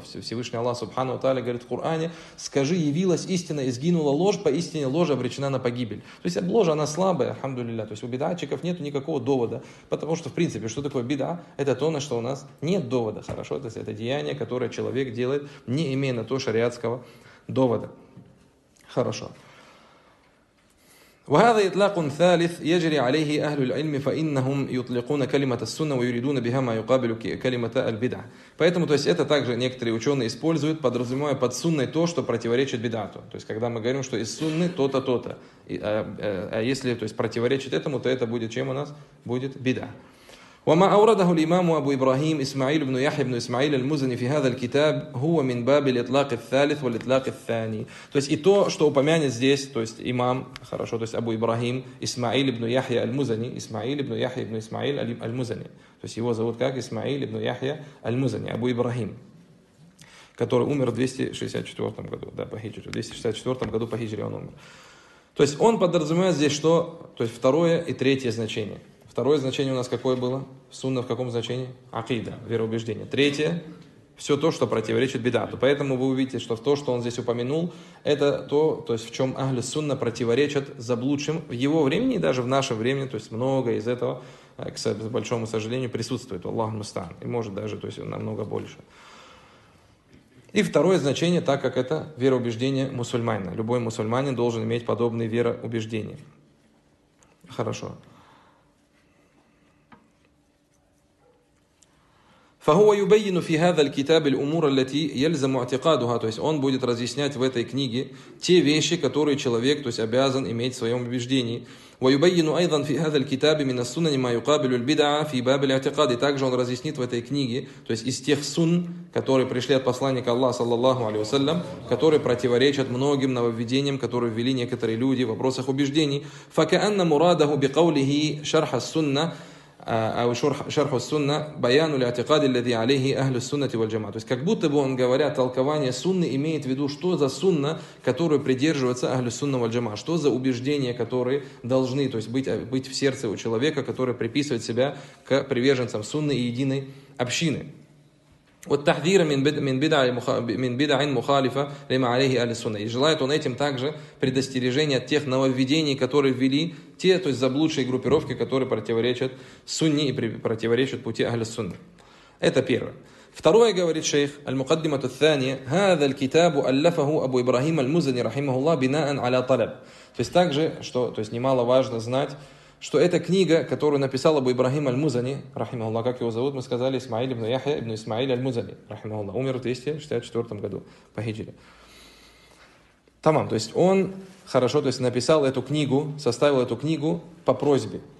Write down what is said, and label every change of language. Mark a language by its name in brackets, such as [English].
[Russian] Всевышний Аллах Субхану Тааля говорит в Коране, «Скажи, явилась истина, и сгинула ложь, поистине ложь обречена на погибель». То есть ложь, она слабая, альхамдулилля. То есть у бидатчиков нет никакого довода. Потому что, в принципе, что такое беда? Это то, на что у нас нет довода. Хорошо? То есть это деяние, которое человек делает, не имея на то шариатского довода. Хорошо. [Arabic] وهذا إطلاق ثالث يجري عليه أهل العلم فإنهم يطلقون كلمة السنة ويريدون بها ما يقابل كلمة البدعة. [Russian] Поэтому, то есть, это также некоторые ученые используют, подразумевая под сунной то, что противоречит бидату. То есть, когда мы говорим, что из сунны то-то, то-то, а если, то есть, противоречит этому, то это будет чем у нас? Будет бида. [Arabic] وما أورده الإمام أبو إبراهيم إسماعيل بن يحيى بن إسماعيل المزني في هذا الكتاب هو من باب الإطلاق الثالث والإطلاق الثاني. [Russian] То есть и то, что упомянет здесь, то есть имам, хорошо, то есть Абу Ибрахим, Исмаил ибн Яхья аль-Музани, Исмаил ибн Яхья ибн Исмаил аль-Музани. То есть его зовут как Исмаил ибн Яхья аль-Музани, Абу Ибрахим, который умер в 264 году, да, по хиджре, в 264 году по хиджре он умер. То есть он подразумевает здесь что? То есть второе и третье значение. Второе значение у нас какое было? Сунна в каком значении? Акида, вероубеждение. Третье, все то, что противоречит бидату. Поэтому вы увидите, что то, что он здесь упомянул, это то, то есть в чем ахли сунна противоречат заблудшим в его времени и даже в наше время. То есть многое из этого, к большому сожалению, присутствует. Аллах мустан. И может даже то есть намного больше. И второе значение, так как это вероубеждение мусульманина. Любой мусульманин должен иметь подобные вероубеждения. Хорошо. [Arabic] فهو يبين في هذا الكتاب الأمور التي يلزم اعتقادها. [Russian] То есть он будет разъяснять в этой книге те вещи, которые человек, то есть обязан иметь в своем убеждении. [Arabic] ويبين أيضا في هذا الكتاب من السنن ما يقابل البدعة في باب الاعتقاد. [Russian] Также он разъяснит в этой книге, то есть из тех сун, которые пришли от Посланника Аллаха саллаллаху алейхи ва саллям, которые противоречат многим нововведениям, которые ввели некоторые люди в вопросах убеждений. [Arabic] فكأن مراده بقوله شرح السنة أو شرح السنة بيان الاعتقاد الذي عليه أهل السنة والجماعة. [Russian] То есть как будто бы он говоря, толкование сунны имеет в виду, что за сунна, которую придерживается Ахлю Сунна валь Джамаа, что за убеждения, которые должны, то есть быть в сердце у человека, который приписывает себя к приверженцам сунны и единой общины. [Arabic] والتحذير من بدع مخالفة لما عليه أهل السنة. [Russian] И желает он этим также предостережение от тех нововведений, которые ввели те, то есть заблудшие группировки, которые противоречат сунне и противоречат пути Ахли Сунны. Это первое. Второе говорит шейх [Arabic] المقدمة الثانية هذا الكتاب ألفه أبو إبراهيم المزني رحمه الله بناء على طلب. [Russian] То есть также, что то есть немаловажно знать, что эта книга, которую написал Абу Ибрахим аль-Музани, рахимахуллах, как его зовут, мы сказали, Исмаиль ибн Яхья ибн Исмаиль аль-Музани, рахимахуллах, умер в 264 году по хиджре. Тамам, то есть он хорошо, то есть написал эту книгу, составил эту книгу по просьбе.